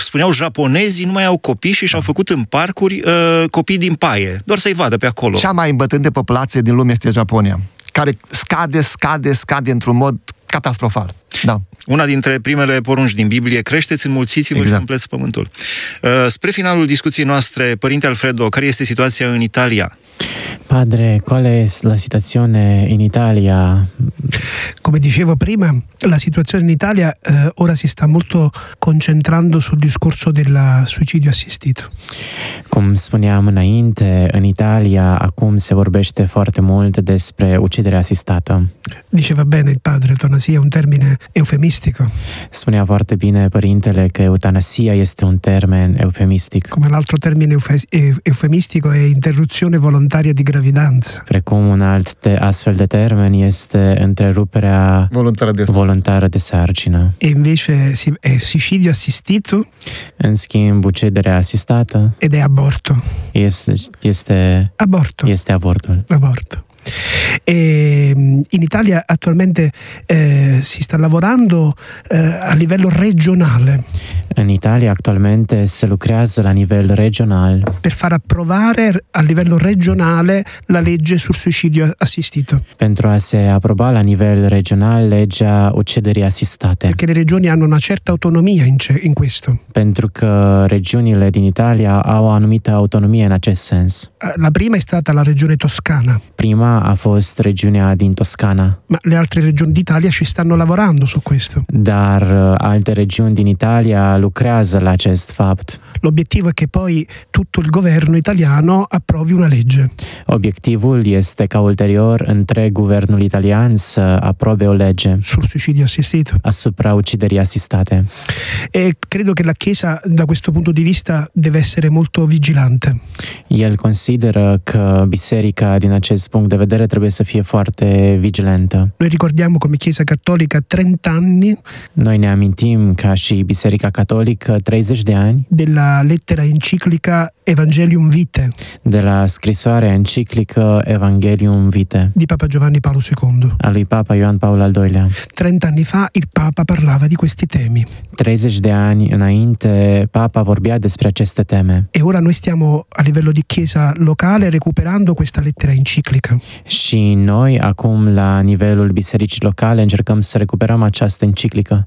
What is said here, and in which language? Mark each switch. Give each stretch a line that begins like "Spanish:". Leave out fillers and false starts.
Romanian: Spuneau japonezii, nu mai au copii și și-au făcut în parcuri copii din paie, doar să-i vadă pe acolo. Cea mai îmbătrânită populație din lume este Japonia, care scade într-un mod catastrofal. Da. Una dintre primele porunci din Biblie, creșteți, înmulțiți-vă, exact, și umpleți pământul. Spre finalul discuției noastre, Părinte Alfredo, care este situația în Italia?
Italian: Padre, qual è la situazione in Italia? Come dicevo prima, la situazione in Italia ora si sta molto concentrando sul discorso del suicidio assistito. Come
Romanian: spuneam înainte, in Italia acum se vorbește foarte mult despre
Italian: uccidere assistata. Diceva bene il padre, eutanasia è un termine eufemistico.
Romanian: Spunea foarte bine părintele că eutanasia este un termen eufemistic.
Italian: Come l'altro termine eufemistico è interruzione volontaria di gravidanza.
Romanian: Precum un alt astfel de termen este întreruperea voluntară de sarcină.
Italian: E invece è suicidio assistito.
Romanian: În schimb, ucciderea asistată.
Italian: Ed è aborto.
Romanian: Este
Italian: aborto.
Romanian: Este avortul.
Italian: Aborto. E in Italia attualmente si sta lavorando a livello regionale. In Italia attualmente si
Romanian: lucrează
Italian: a livello regionale. Per far approvare a livello regionale la legge sul suicidio assistito.
Romanian: Pentru a se aproba
Italian: a livello regionale
Romanian: legea ucciderii assistate.
Italian: Perché le regioni hanno una certa autonomia in questo.
Romanian: Pentru că regiunile din Italia au anumită autonomie în acest sens.
Italian: La prima è stata la regione Toscana.
Romanian: Prima a fost regiunea din Toscana.
Italian: Ma le altre regioni d'Italia ci stanno lavorando su questo.
Romanian: Dar alte regiuni din Italia lucrează la acest fapt.
Italian: L'obiettivo è che poi tutto il governo italiano approvi una legge.
Romanian: Obiectivul este ca ulterior întreg guvernul italian să aprobe o lege.
Italian: Sul suicidio assistito.
Romanian: Asupra ucciderii assistate.
Italian: E credo che la Chiesa da questo punto di vista deve essere molto vigilante.
Romanian: El consideră că biserica din acest punct de vedere trebuie să fie foarte vigilentă.
Italian: Noi ricordiamo come Chiesa Cattolica 30 anni.
Romanian: Noi ne amintim ca și Biserica Catolică 30 de ani.
Italian: De la lettera enciclica Evangelium Vitae.
Romanian: De la scrisoarea enciclică Evangelium Vitae.
Italian: Di Papa Giovanni Paolo II.
Romanian: A lui Papa Ioan Paul al II-lea.
Italian: 30 anni fa il Papa parlava di questi temi.
Romanian: 30 de ani înainte Papa vorbea despre aceste teme.
Italian: E ora noi stiamo a livello di Chiesa locale recuperando questa lettera enciclica.
Romanian: Și noi acum la nivelul bisericii locale încercăm să recuperăm această enciclică.